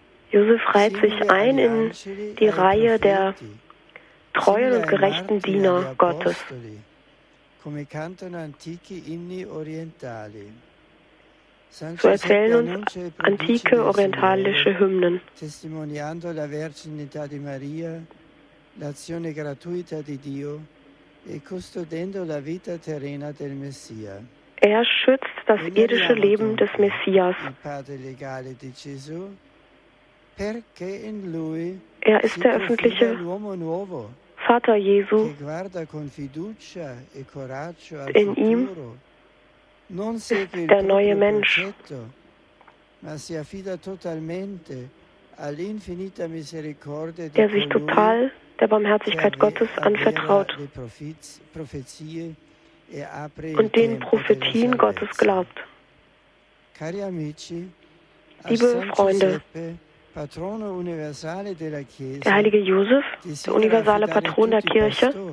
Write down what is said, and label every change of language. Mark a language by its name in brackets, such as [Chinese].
[German] Josef reiht sich ein in die Reihe der treuen und gerechten Diener Gottes. [Italian] come cantano antichi inni orientali. [German] So erzählen uns antike orientalische Hymnen. [Italian] Testimoniando la verginità di Maria, l'azione gratuita di Dio e custodendo la vita terrena del Messia. [German] Er schützt das irdische Leben des Messias. [Italian] Il padre legale di Gesù, perché in lui [German] er ist der öffentliche Vater Jesu. [Italian] Che guarda con fiducia e coraggio al in [German] Ihm [Italian] non [German] ist der neue Mensch, [Italian] progetto, ma si affida totalmente all'infinita misericordia [German] der sich total der Barmherzigkeit Gottes anvertraut und den Prophetien Gottes glaubt. [Italian] Cari amici, [German] liebe Freunde, der heilige Josef, der universale Patron der Kirche,